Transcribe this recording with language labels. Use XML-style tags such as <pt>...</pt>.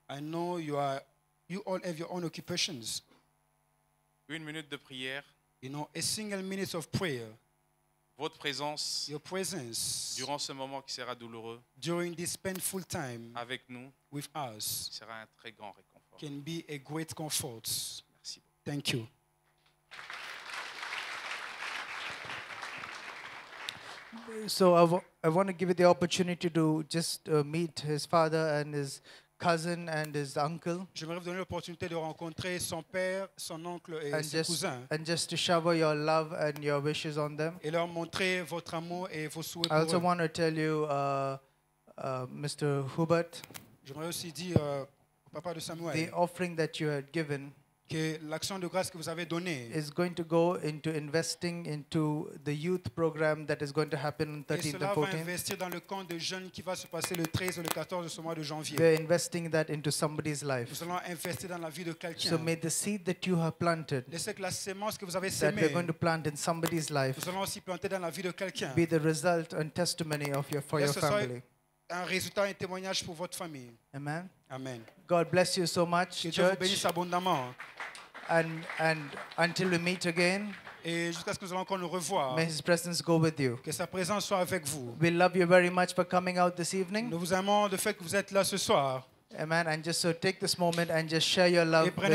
<en>I know you all have your own occupations.</en> <fr>Une minute de prière.</fr> <en>You know, a single minute of prayer.</en> <fr>Votre présence.</fr> <en>Your presence.</en> <fr>Durant ce moment qui sera douloureux.</fr> <en>During this painful time.</en> <fr>Avec nous.</fr> <en>With us.</en> <fr>Sera un très grand réconfort.</fr> <en>Can be a great comfort.</en> <fr>Merci.</fr> <en>Thank you. So I want to give you the opportunity to just meet his father and his cousin and his uncle.</en> <fr>Je voudrais vous donner l'opportunité de rencontrer son père, son oncle et ses cousins.</fr> <en>And just to shower your love and your wishes on them.</en> <fr>Et leur montrer votre amour et vos souhaits pour eux.</fr> <en>I also want to tell you, Mr. Hubert.</en> <fr>Je voudrais aussi dire au papa de Samuel.</fr> <en>The offering that you had given.</en> <fr>Que l'action de grâce que vous avez donnée.</fr> <en>Is going to go into investing into the youth program that is going to happen on 13th and 14th.</en> <fr>Et cela va investir dans le camp de jeunes qui va se passer le 13 et le 14 de ce mois de janvier.</fr> <en>We are investing that into somebody's life.</en> <fr>Nous allons investir dans la vie de quelqu'un.</fr> <en>So may the seed that you have planted.</en> <fr>Laissez que la semence que vous avez semée.</fr> <en>That we're going to plant in somebody's life.</en> <fr>Nous allons aussi planter dans la vie de quelqu'un.</fr> <en>Be the result and testimony of your for your family.</en> <fr>Un résultat, un témoignage pour votre famille. Amen. Amen.</fr> <en>God bless you so much.</en> <fr>Que Dieu vous bénisse abondamment.</fr> <en>And until we meet again.</en> <fr>Et jusqu'à ce que nous allons encore nous revoir.</fr> <en>May His presence go with you.</en> <fr>Que sa présence soit avec vous.</fr> <en>We love you very much for coming out this evening.</en> <fr>Nous vous aimons de fait que vous êtes là ce soir. Amen.</fr> <en>And just so take this moment and just share your love with the family.</en>